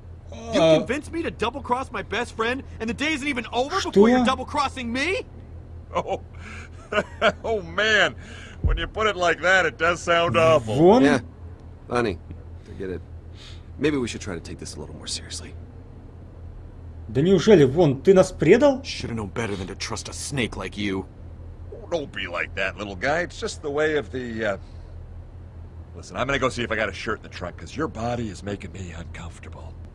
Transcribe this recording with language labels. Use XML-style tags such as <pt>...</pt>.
<en>You convinced me to double cross my best friend, and the day isn't even over before you're double crossing me? Oh. Oh man. When you put it like that, it does sound awful.</en> <ru>Вон?</ru> <en>Yeah. Honey, forget it. Maybe we should try to take this a little more seriously.</en> <ru>Да неужели, вон, ты нас предал?</ru> <en>Should've known better than to trust a snake like you. Oh, don't be like that, little guy. It's just the way of the, Listen, I'm gonna go see if I got a shirt in the truck, because your body is making me uncomfortable.</en>